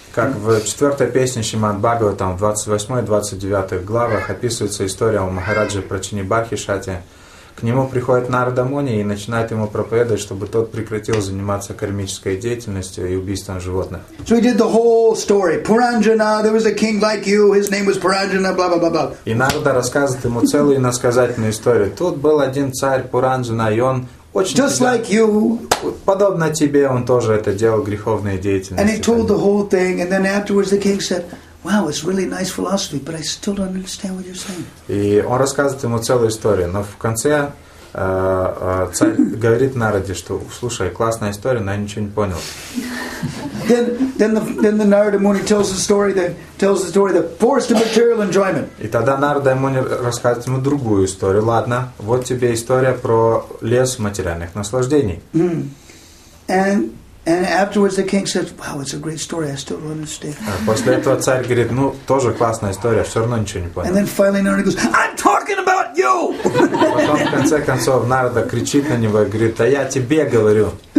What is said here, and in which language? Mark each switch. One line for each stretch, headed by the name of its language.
Russian: Как в четвертой песне Шримад-Бхагаватам, в 28-29 главах, описывается история о Махараджи Прачинибархишате. К нему приходит Нарада Муни и начинает ему проповедовать, чтобы тот прекратил заниматься кармической деятельностью и убийством животных.
English: So he did the whole story. Puranjana, there was a king like you, his name was Puranjana, blah, blah, blah, blah.
Russian: И Нарада рассказывает ему целую иносказательную историю. Тут был один царь Puranjana, и он очень...
English: Just like you.
Russian: Подобно тебе, он тоже это делал греховные деятельности.
English: And he told the whole thing, and then afterwards the king said... Wow, it's really nice philosophy, but I still don't understand what you're saying.
Russian: И он рассказывает ему целую историю, но в конце царь говорит Нараде, что, слушай, классная история, но я ничего не понял.
English: Then the Narada Muni tells the story that forced to material enjoyment.
Russian: И тогда Нарада Муни рассказывает ему другую историю. Ладно, вот тебе история про лес материальных наслаждений.
English: And afterwards the king says, wow, it's a great story, I still don't understand.
Russian: После этого царь говорит, ну, тоже классная история, все равно ничего не понял.
English: And then finally Narada goes, I'm talking about you!
Russian: Потом, в конце концов, Нарада кричит на него и говорит, да я тебе говорю.